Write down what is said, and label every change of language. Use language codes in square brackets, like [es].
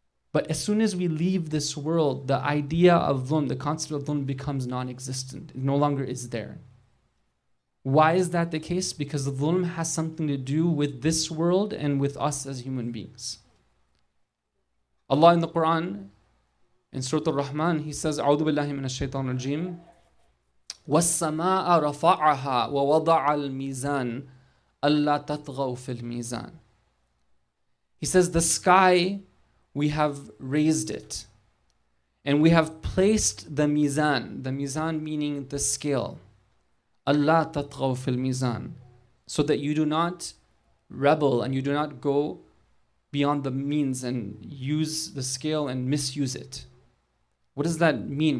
[en] But as soon as we leave this world, the idea of dhulm, the concept of dhulm becomes non-existent. It no longer is there. Why is that the case? Because dhulm has something to do with this world and with us as human beings. Allah in the Quran, in Surah Al-Rahman, He says, [ar] أعوذ بالله من الشيطان الرجيم والسماء رفعها ووضع الميزان ألا تطغوا في الميزان. [en] He says, the sky, we have raised it. And we have placed the mizan. The mizan meaning the scale. [ar] ألا تطغوا في الميزان. [en] So that you do not rebel and you do not go beyond the means and use the scale and misuse it. What does that mean?